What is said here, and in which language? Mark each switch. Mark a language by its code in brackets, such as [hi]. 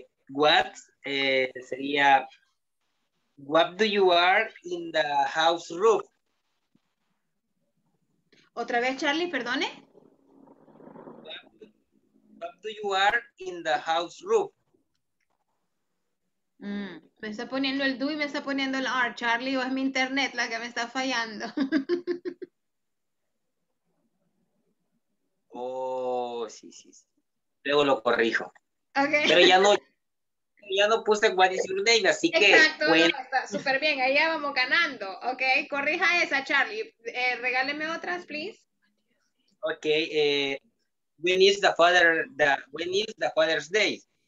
[en] What do you are in the house roof? [es] Otra vez, Charlie, perdone. [en] What do you are in the house roof? [es] Me está poniendo el do y me está poniendo el are, Charlie, o es mi internet la que me está fallando. Oh, sí, sí, sí. Luego lo corrijo. [en] Okay. [es] Pero ya no puse [en] what is your name, [es] así exacto, que... Exacto, bueno. No, está súper bien, ahí ya vamos ganando, ok. Corrija esa, Charlie. Regáleme otras, please. [en] Ok, when is the father, when is the Father's Day?